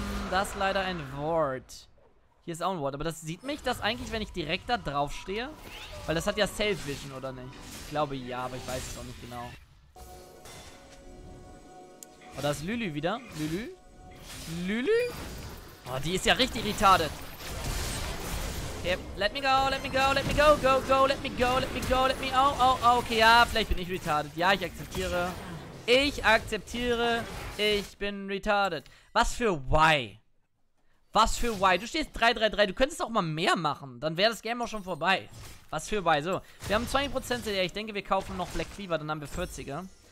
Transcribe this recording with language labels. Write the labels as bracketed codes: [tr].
[de] Das ist leider ein Ward. Hier ist auch ein Ward. Aber das sieht mich, dass eigentlich, wenn ich direkt da drauf stehe. Weil das hat ja Self-Vision, oder nicht? Ich glaube ja, aber ich weiß es auch nicht genau. Oh, da ist Lülü wieder. Lülü? Lülü? Oh, die ist ja richtig retarded. [en] Okay, let me go, let me go, let me go, go, go, let me go, let me go, let me go. [de] Oh, oh, okay, ja, vielleicht bin ich retarded. Ja, ich akzeptiere. Ich akzeptiere. Ich bin retarded. Was für why? Was für why? Du stehst 3-3-3. Du könntest auch mal mehr machen. Dann wäre das Game auch schon vorbei. Was für why? So, wir haben 20% CDR. Ich denke, wir kaufen noch Black Cleaver. Dann haben wir 40er.